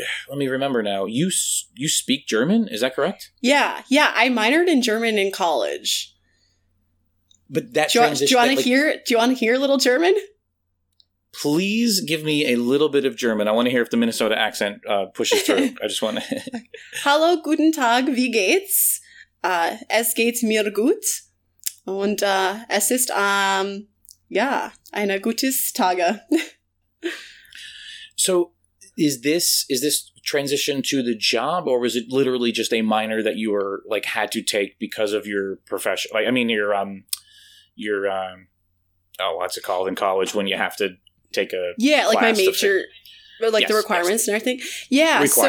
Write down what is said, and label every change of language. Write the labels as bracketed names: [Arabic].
[English] let me remember now. You speak German? Is that correct? Yeah. Yeah. I minored in German in college. But that Do you want to hear a little German? Please give me a little bit of German. I want to hear if the Minnesota accent pushes through. I just want to. [German] Hallo, guten Tag, wie geht's? Es geht mir gut. Und es ist, eine gutes Tage. [English] So is this transition to the job, or was it literally just a minor that you were like had to take because of your profession? Like, I mean, what's it called in college when you have to take a class, like my major, the requirements and everything. Yeah.